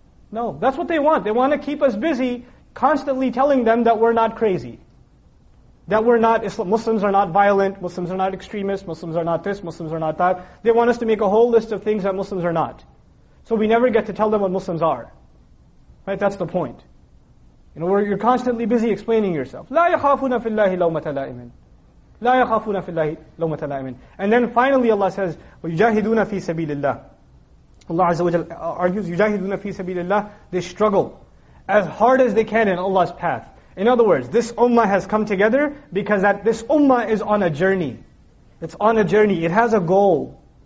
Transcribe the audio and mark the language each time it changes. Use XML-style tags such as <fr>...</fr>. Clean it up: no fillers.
<en>That's what they want. They want to keep us busy constantly telling them that we're not crazy. That we're not, Muslims are not violent, Muslims are not extremists, Muslims are not this, Muslims are not that. They want us to make a whole list of things that Muslims are not. So we never get to tell them what Muslims are. Right? That's the point. You know, you're constantly busy explaining yourself.</en> <ar>لا يخافون في الله لومة لائم. لا يخافون في الله لومة لائم.</ar> <en>And then finally Allah says, يجاهدون في سبيل الله. Allah Azza wa Jal argues, يجاهدون في سبيل الله. They struggle as hard as they can in Allah's path. In other words, this ummah has come together because that this ummah is on a journey. It's on a journey. It has a goal.</en>